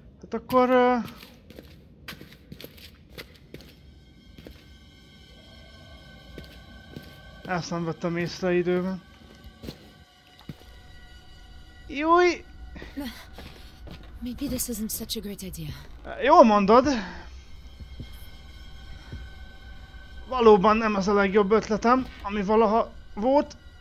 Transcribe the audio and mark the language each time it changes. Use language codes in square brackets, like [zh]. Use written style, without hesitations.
[hu] Akkor... ezt nem vettem észre időben. Júj! [en] Maybe this isn't such a great idea. [hu] Jól mondod! Valóban nem ez a legjobb ötletem, ami valaha volt.